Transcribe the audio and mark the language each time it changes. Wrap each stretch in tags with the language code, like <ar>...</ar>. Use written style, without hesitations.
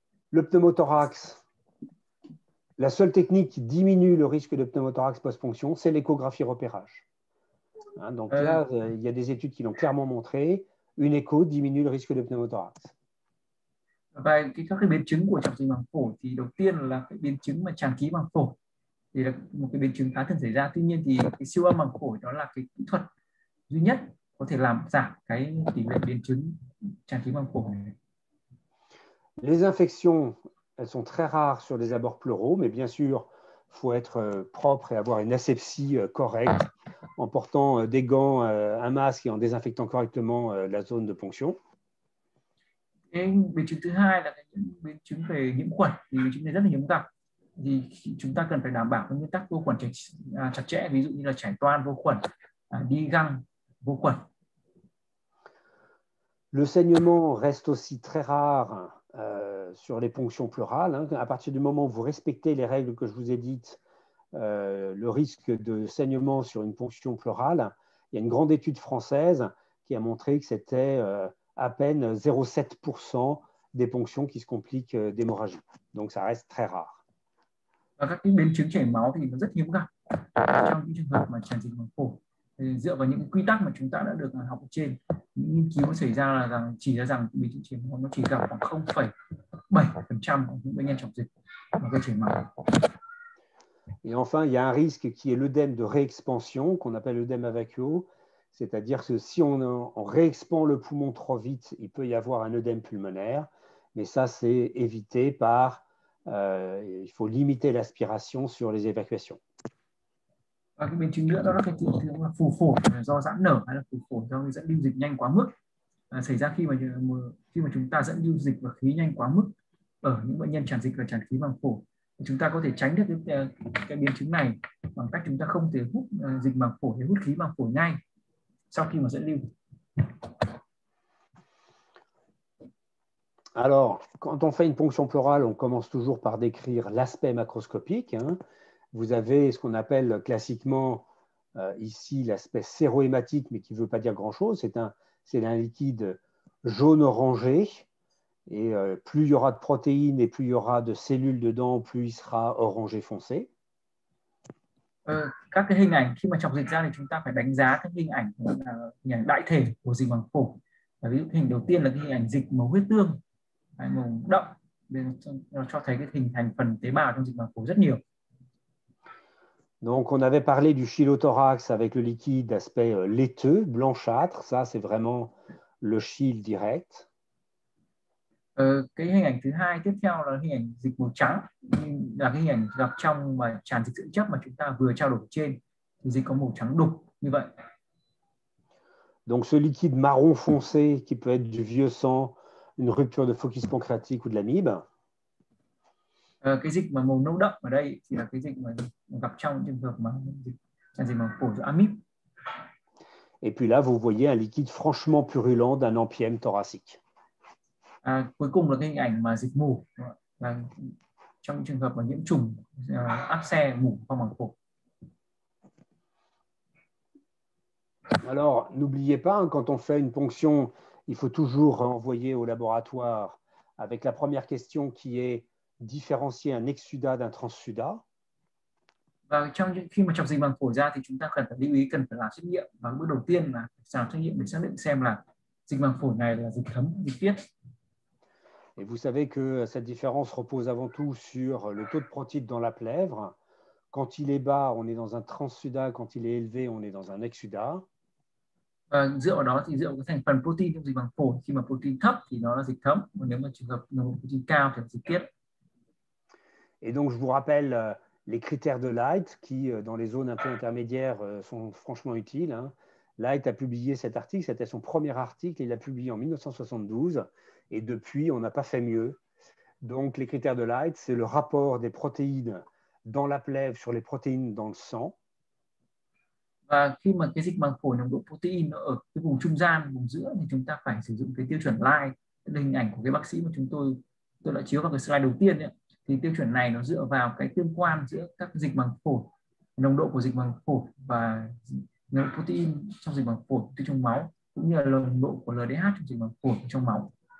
<fr>Le pneumothorax, la seule technique qui diminue le risque de pneumothorax post-ponction, c'est l'échographie repérage. Hein, donc là, il y a des études qui l'ont clairement montré, une écho diminue le risque de pneumothorax.</fr> <vi>Và các cái biến chứng của chọc dịch màng phổi thì đầu tiên là cái biến chứng mà tràn khí màng phổi thì là một cái biến chứng khá thường xảy ra. Tuy nhiên thì cái siêu âm màng phổi đó là cái kỹ thuật duy nhất có thể làm giảm cái tỷ lệ biến chứng tràn khí màng phổi này.</vi> <fr>Les infections, elles sont très rares sur les abords pleuraux, mais bien sûr, il faut être propre et avoir une aseptie correcte en portant des gants, un masque et en désinfectant correctement la zone de ponction.</fr> <vi>Cái biến chứng thứ hai là cái biến chứng về nhiễm khuẩn, thì biến chứng này rất là hiếm gặp, thì chúng ta cần phải đảm bảo cái nguyên tắc vô khuẩn chặt chẽ, ví dụ như là chải toan vô khuẩn, đi găng vô khuẩn.</vi> <fr>Le saignement reste aussi très rare. Sur les ponctions pleurales. À partir du moment où vous respectez les règles que je vous ai dites, le risque de saignement sur une ponction pleurale, il y a une grande étude française qui a montré que c'était à peine 0,7% des ponctions qui se compliquent d'hémorragie. Donc ça reste très rare.</fr> <vi>Và các cái biến chứng chảy máu thì nó rất hiếm gặp trong những trường hợp mà tràn dịch màng phổi. Dựa vào những quy tắc mà chúng ta đã được học ở trên, những nghiên cứu xảy ra là rằng chỉ ra rằng biến chứng chảy máu nó chỉ gặp khoảng 0,7% của những bệnh nhân trọng dịch mà gây chảy máu.</vi> <fr>Et enfin, il y a un risque qui est l'œdème de réexpansion, qu'on appelle l'œdème avacuo, c'est-à-dire que si on réexpand le poumon trop vite, il peut y avoir un œdème pulmonaire, mais ça, c'est évité par, il faut limiter l'aspiration sur les évacuations.</fr> <vi>Và cái biến chứng nữa đó là cái tình trạng phù phổi do giãn nở hay là phù phổi do dẫn lưu dịch nhanh quá mức xảy ra khi mà chúng ta dẫn lưu dịch và khí nhanh quá mức ở những bệnh nhân tràn dịch và tràn khí màng phổi. Chúng ta có thể tránh được cái biến chứng này bằng cách chúng ta không thể hút dịch màng phổi hay hút khí màng phổi ngay sau khi mà dẫn lưu.</vi> <fr>Alors, quand on fait une ponction pleurale, on commence toujours par décrire l'aspect macroscopique. Hein. Vous avez ce qu'on appelle classiquement ici l'aspect sérohématique, mais qui ne veut pas dire grand-chose. C'est un liquide jaune-orangé. Et plus il y aura de protéines et plus il y aura de cellules dedans, plus il sera orangé foncé.</fr> <vi>Các cái hình ảnh khi mà chọc dịch ra thì chúng ta phải đánh giá các hình ảnh đại thể của dịch màng phổi. Ví dụ hình đầu tiên là cái hình ảnh dịch màu huyết tương, màu đậm, nó cho thấy cái hình thành phần tế bào trong dịch màng phổi rất nhiều.</vi> <fr>Donc, on avait parlé du chylothorax avec le liquide d'aspect laiteux, blanchâtre. Ça, c'est vraiment le chyle direct.</fr> <vi>Cái hình ảnh thứ hai tiếp theo là hình ảnh dịch màu trắng, là cái hình ảnh gặp trong mà tràn dịch dưỡng chấp mà chúng ta vừa trao đổi trên, thì dịch có màu trắng đục như vậy.</vi> <fr>Donc, ce liquide marron foncé qui peut être du vieux sang, une rupture de focus pancréatique ou de l'amibe.</fr> <vi>Cái dịch mà màu nâu đậm ở đây thì là cái dịch mà gặp trong trường hợp mà dịch tràn dịch màng phổi do amip.</vi> <fr>Et puis là, vous voyez un liquide franchement purulent d'un empyème thoracique.</fr> <vi>Cuối cùng là cái hình ảnh mà dịch mủ là trong trường hợp mà nhiễm trùng áp xe mủ qua màng phổi.</vi> <fr>Alors, n'oubliez pas, quand on fait une ponction, il faut toujours envoyer au laboratoire avec la première question qui est différencier un exsudat d'un transsudat.</fr> <vi>Và trong khi mà chọc dịch màng phổi ra thì chúng ta cần phải lưu ý, cần phải làm xét nghiệm, và bước đầu tiên là làm xét nghiệm để xác định xem là dịch màng phổi này là dịch thấm, dịch tiết.</vi> <fr>Et vous savez que cette différence repose avant tout sur le taux de protides dans la plèvre. Quand il est bas, on est dans un transsudat. Quand il est élevé, on est dans un exsudat.</fr> <vi>Dựa vào đó thì dựa vào cái thành phần protein trong dịch màng phổi, khi mà protein thấp thì nó là dịch thấm, còn nếu mà trường hợp nó protein cao thì là dịch tiết.</vi> <fr>Et donc, je vous rappelle les critères de Light qui, dans les zones un peu intermédiaires, sont franchement utiles. Light a publié cet article, c'était son premier article, il l'a publié en 1972. Et depuis, on n'a pas fait mieux. Donc, les critères de Light, c'est le rapport des protéines dans la plèvre sur les protéines dans le sang.</fr> <vi>Và khi mà cái dịch màng phổi nồng độ protein nó ở cái vùng trung gian, vùng giữa thì chúng ta phải sử dụng cái tiêu chuẩn Light. Đây hình ảnh của cái bác sĩ mà tôi đã chiếu vào cái slide đầu tiên ấy. Thì tiêu chuẩn này nó dựa vào cái tương quan giữa các dịch màng phổi, nồng độ của dịch màng phổi và nồng độ protein trong dịch màng phổi trong máu, cũng như là nồng độ của LDH trong dịch màng phổi trong máu.</vi>